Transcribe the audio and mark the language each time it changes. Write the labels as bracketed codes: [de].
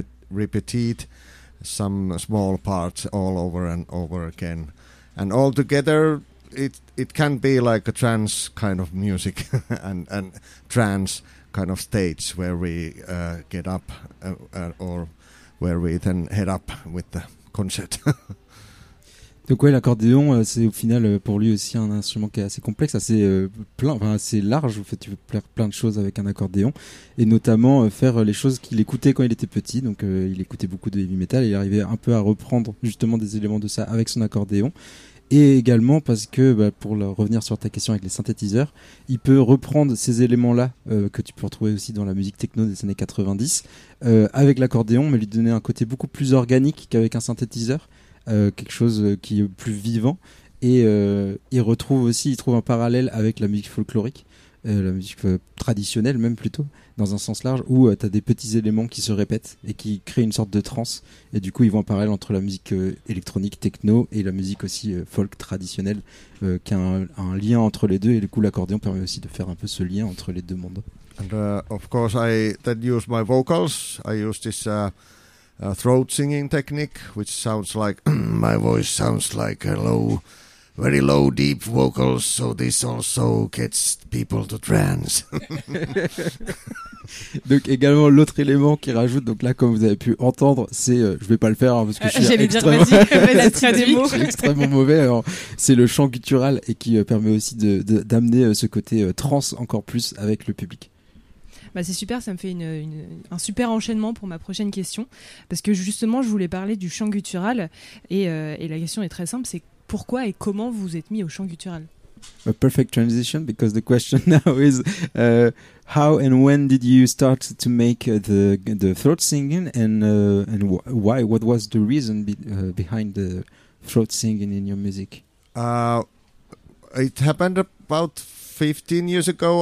[en] Repeated some small parts all over and over again, and all together. It can be like a trance kind of music and trance kind of states where we get up or where we then head up with the concert. [fr] Donc ouais, l'accordéon, c'est au final pour lui aussi un instrument qui est assez complexe, assez large. En fait, tu peux faire plein de choses avec un accordéon, et notamment faire les choses qu'il écoutait quand il était petit. Donc il écoutait beaucoup de heavy metal, et il arrivait un peu à reprendre justement des éléments de ça avec son accordéon. Et également parce que, pour revenir sur ta question avec les synthétiseurs, il peut reprendre ces éléments-là que tu peux retrouver aussi dans la musique techno des années 90 avec l'accordéon, mais lui donner un côté beaucoup plus organique qu'avec un synthétiseur, quelque chose qui est plus vivant. Et il trouve un parallèle avec la musique folklorique, la musique traditionnelle même plutôt, dans un sens large, où tu as des petits éléments qui se répètent et qui créent une sorte de transe. Et du coup, ils vont en parallèle entre la musique électronique techno et la musique aussi folk traditionnelle, qui a un lien entre les deux. Et du coup, l'accordéon permet aussi de faire un peu ce lien entre les deux mondes. [en] And of course, I then use my vocals. I use this throat singing technique, which sounds like my voice sounds like a low very low, deep vocals, so this also gets people to trance. [fr] Donc également l'autre élément qui rajoute, donc là comme vous avez pu entendre, c'est je vais pas le faire, hein, parce que je suis extrêmement, extrêmement mauvais. Alors, c'est le chant guttural et qui permet aussi de d'amener ce côté trance encore plus avec le public. Bah c'est super, ça me fait un super enchaînement pour ma prochaine question, parce que justement je voulais parler du chant guttural et la question est très simple, c'est pourquoi et comment vous êtes mis au chant guttural. [en] A perfect transition, because the question now is how and when did you start to make the throat singing and why, what was the reason behind the throat singing in your music? It happened about 15 years ago.